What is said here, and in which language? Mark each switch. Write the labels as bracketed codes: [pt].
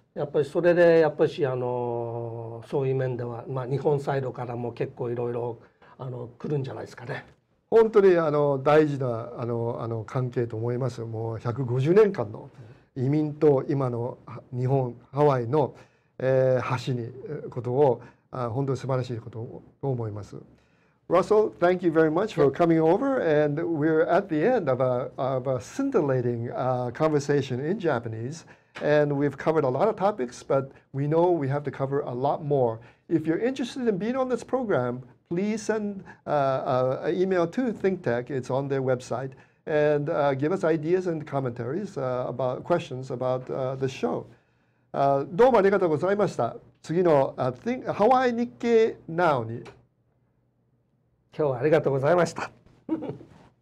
[ja] やっぱりそれでやっぱりそういう面では、まあ、日本サイドからも結構いろいろ来るんじゃないですかね。本当に大事な関係と思います。もう150年間の移民と今の日本ハワイの、橋にことを本当に素晴らしいことを思います。 [en] Russell, thank you very much for coming over, and we're at the end of a scintillating conversation in Japanese, and we've covered a lot of topics, but we know we have to cover a lot more. If you're interested in being on this program, please send an email to ThinkTech, it's on their website, and give us ideas and commentaries about questions about the show. [ja] どうもありがとうございました。次の Hawaii Nikkei Now に今日はありがとうございました。